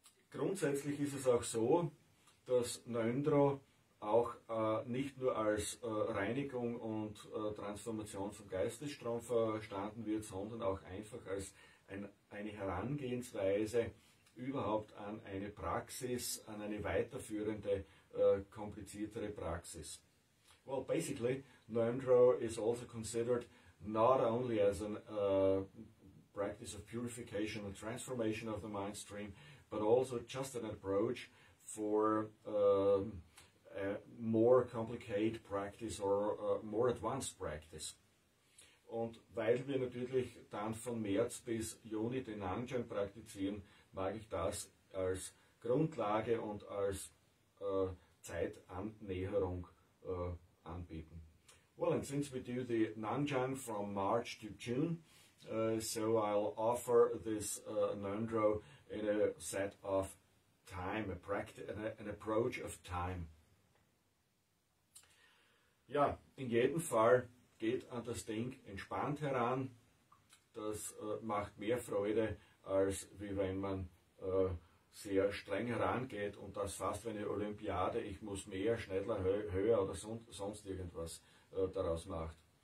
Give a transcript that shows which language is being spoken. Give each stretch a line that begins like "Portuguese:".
German: Grundsätzlich ist es auch so, dass Ngondro auch nicht nur als Reinigung und Transformation vom Geistesstrom verstanden wird, sondern auch einfach als eine Herangehensweise überhaupt an eine Praxis, an eine weiterführende, kompliziertere Praxis.
English: Well, basically, Ngondro is also considered not only as a practice of purification and transformation of the mind stream, but also just an approach for a more complicated practice or more advanced practice.
German: Und weil wir natürlich dann von März bis Juni den Ngak'chang praktizieren, mag ich das als Grundlage und als Zeitannäherung anbieten.
English: Well, and since we do the Ngak'chang from March to June, so I'll offer this Ngondro in a set of time, an approach of time.
German: Ja, in jedem Fall geht an das Ding entspannt heran. Das macht mehr Freude, als wie wenn man sehr streng herangeht und das fast wie eine Olympiade, ich muss mehr, schneller, höher oder sonst irgendwas daraus macht.